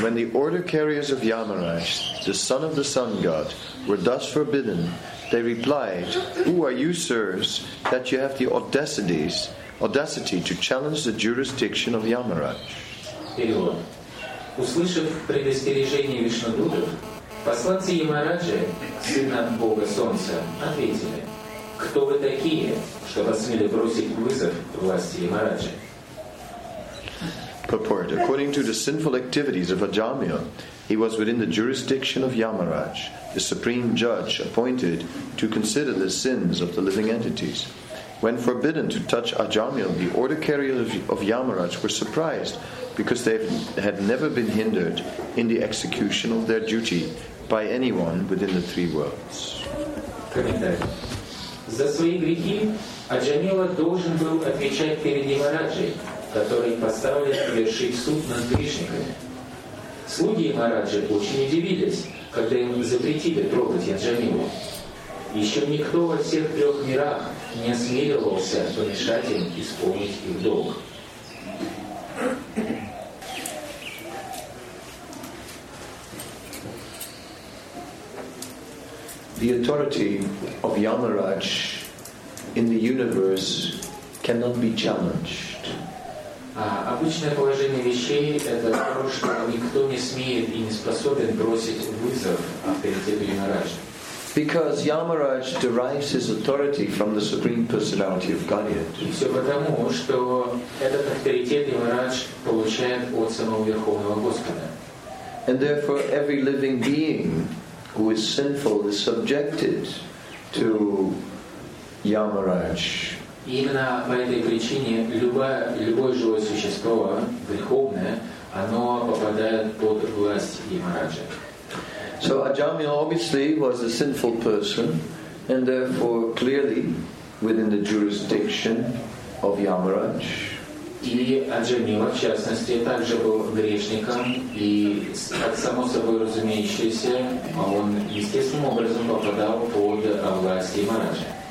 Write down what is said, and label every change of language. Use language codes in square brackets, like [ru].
[en] When the order carriers of Yamaraj, the son of the sun god, were thus forbidden, they replied, Who are you, sirs, that you have the audacity to challenge the jurisdiction of Yamaraj? [ru] Услышав предостережение Вишнудутов, посланцы Ямараджи, сына бога солнца, ответили, Кто вы такие, чтобы осмели бросить вызов власти Ямараджи? [en] Purport. According to the sinful activities of Ajamil, he was within the jurisdiction of Yamaraj, the supreme judge appointed to consider the sins of the living entities. When forbidden to touch Ajamil, the order carriers of Yamaraj were surprised because they had never been hindered in the execution of their duty by anyone within the three worlds. [ru] За свои грехи Аджамила должен был отвечать перед Ямараджей, который поставлен совершить суд над грешниками. Слуги Ямараджи очень удивились, когда им запретили трогать Аджамилу. Еще никто во всех трех мирах не осмеливался помешать им исполнить их долг. [en] The authority of Yamaraj in the universe cannot be challenged. [ru] Обычное положение вещей это то, что никто не смеет и не способен бросить вызов авторитету Ямараджа. [en] Because Yamaraj derives his authority from the Supreme Personality of Godhead. [ru] Все потому, что этот авторитет Ямарадж получает от самого Верховного Господа. [en] And therefore every living being who is sinful is subjected to Yamaraj. [ru] Именно по этой причине любое живое существо, греховное, оно попадает под власть Ямараджа. [en] So Ajamil obviously was a sinful person and therefore clearly within the jurisdiction of Yamaraj. [ru] И Аджамила, в частности, также был грешником, и, как само собой разумеющееся, он естественным образом попадал под власть Ямараджа.